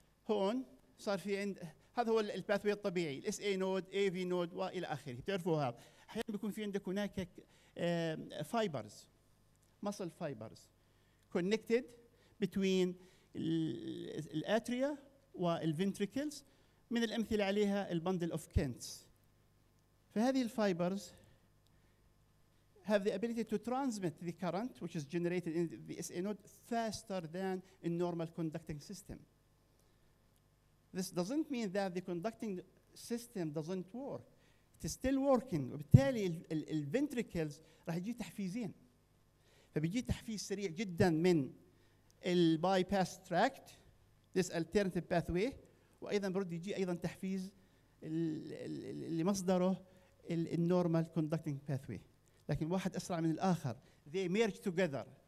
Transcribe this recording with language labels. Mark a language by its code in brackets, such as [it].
[ar] هون صار في عند، هذا هو الباث واي الطبيعي، الاس اي نود اي في نود والى اخره، تعرفوا هذا. احيانا بيكون في عندك هناك فايبرز مسل فايبرز كونكتد بين الاتريا والفنتريكلز، من الأمثلة عليها البندل أوف كينتس. فهذه الفايبرز [en] have the ability to transmit the current which is generated in the SA node faster than a normal conducting system. This doesn't mean that the conducting system doesn't work. It is still working. [ar] وبالتالي ال ventricles راح يجي تحفيزين. فبيجي تحفيز سريع جدا من ال bypass tract, [en] this alternative pathway. [ar] وايضا برد يجي ايضا تحفيز اللي مصدره النورمال كوندكتنج باث واي، لكن واحد اسرع من الاخر، [en] they merge together.